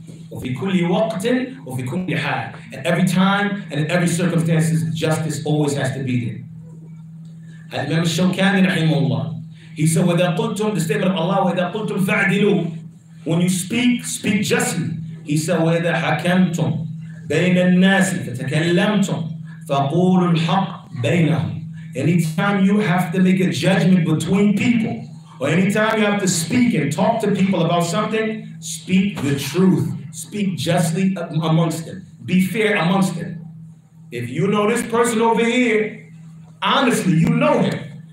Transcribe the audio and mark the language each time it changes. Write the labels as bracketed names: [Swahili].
[Arabic] وَفِي كُلِّ وَقْتٍ وَفِي كُلِّ حَالٍ. [English] At every time and in every circumstances, justice always has to be there. And Imam Shawkani rahimahullah, he said, [Arabic] وَإِذَا قُلْتُمْ, [English] the statement of Allah, [Arabic] وَإِذَا قُلْتُمْ فَعْدِلُوا. [English] When you speak, speak justly. He said, [Arabic] وَإِذَا حَكَمْتُمْ بَيْنَ النَّاسِ فَتَكَلَّمْتُمْ فَقُولُوا الْحَقَّ بَيْنَهُمْ. [English] Anytime you have to make a judgment between people, or anytime you have to speak and talk to people about something, speak the truth. Speak justly amongst them. Be fair amongst them. If you know this person over here, honestly, you know him.